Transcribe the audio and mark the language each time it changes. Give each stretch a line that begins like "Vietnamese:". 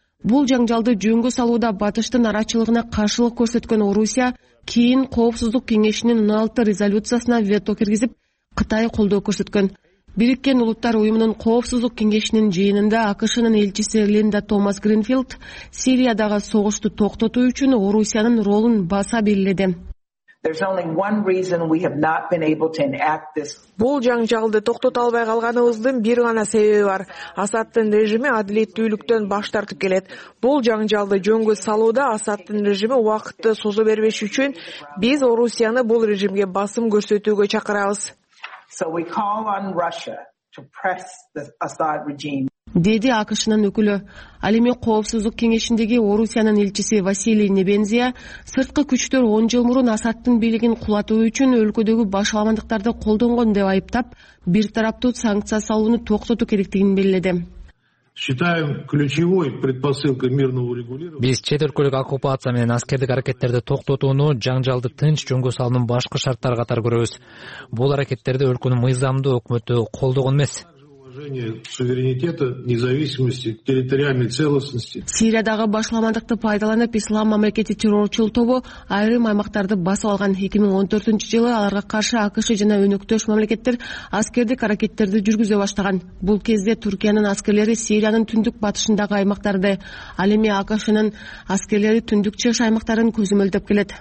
Kyrgyz: Бул жаңжалды жөнгө салууда батыштын арачылыгына каршылык көрсөткөн Орусия кийин коопсуздук кеңешинин 16 резолюциясына вето киргизип, Кытай колдоо көрсөткөн. Бириккен Улуттар Уюмунун коопсуздук кеңешинин жыйынында АКШнын элчиси Линда Томас Гринфилд Сириядагы согушту токтотуу үчүн Орусиянын ролун баса белгиледи.
English: There's only one reason we have not been able to enact this.
Kyrgyz: Бул жаңжалды токтото албай калганыбыздын бир гана себеби бар. Асадтын режими адилеттүүлүктөн баш тартып келет. Бул жаңжалды жөнгө салууда Асадтын режими убакытты созо бербеш үчүн биз Орусияны бул режимге басым көрсөтүүгө чакырабыз.
English: So we call on Russia to press the Assad regime.
Kyrgyz: Деди АКШнын өкүлү. Ал эми коопсуздук кеңешиндеги Орусиянын элчиси Василий Небензия сырткы күчтөр 10 жыл мурун Асадтын бийлигин кулатуу үчүн өлкөдөгү баш аламандыктарды колдонгон деп айыптап, бир тараптуу санкция салууну токтотуу керектигин белгиледи.
Russian: Считаем ключевой предпосылкой мирного урегулирования.
Kyrgyz: Биз чет өлкөлүк оккупация менен аскердик аракеттерди токтотууну жаңжалды тынч жөнгө салуунун башкы шарттары катар көрөбүз. Бул аракеттерди өлкөнүн мыйзамдуу өкмөтү колдогон эмес.
Russian: Суверенитета, независимости, территориальной целостности.
Kyrgyz: Сириядагы башламандыкты пайдаланып, ислам мамлекети террорчул тобу айрым аймактарды басып алган. 2014 жылы аларга каршы АКШ жана өнөктөш мамлекеттер аскердик аракеттерди жүргүзө баштаган. Бул кезде Түркиянын аскерлери Сириянын түндүк батышындагы аймактарды, ал эми АКШнын аскерлери түндүк чыгыш аймактарын көзөмөлдөп келет.